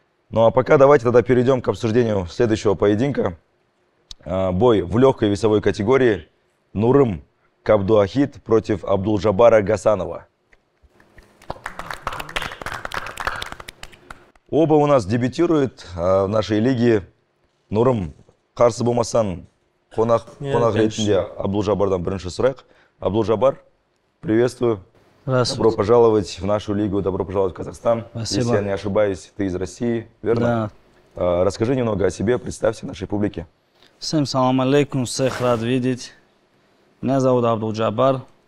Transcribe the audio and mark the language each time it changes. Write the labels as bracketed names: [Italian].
[Russian] Ну, а пока давайте тогда перейдем к обсуждению следующего поединка. Бой в легкой весовой категории. Нурым Кабдуахид против Абдулжабара Гасанова. Оба у нас дебютируют в нашей лиге. [Kazakh] Нурым Харсы Бумасан. Конах ретінде Абдулжабардан бірінші сұрайық. [Russian] Абдулжабар, приветствую. Здравствуйте. Добро пожаловать в нашу лигу, добро пожаловать в Казахстан. Спасибо. Если я не ошибаюсь, ты из России, верно? Да. Расскажи немного о себе, представься нашей публике. Всем салам алейкум, всех рад видеть. Меня зовут Абдулжабар.